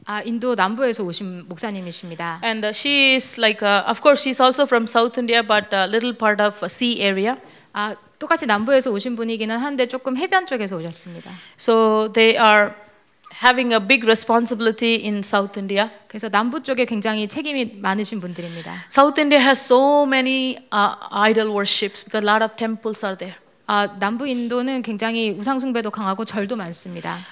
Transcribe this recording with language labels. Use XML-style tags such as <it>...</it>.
<ko>인도 남부에서 오신 목사님이십니다.</ko> <en>And she is like, of course, she's also from South India, but a little part of sea area.</en> <ko>똑같이 남부에서 오신 분이기는 한데 조금 해변 쪽에서 오셨습니다.</ko> <en>So they are having a big responsibility in South India.</en> <ko>그래서 남부 쪽에 굉장히 책임이 많으신 분들입니다.</ko> <en>South India has so many idol worships because a lot of temples are there.</en> <ko>남부 인도는 굉장히 우상 숭배도 강하고 절도 많습니다.</ko>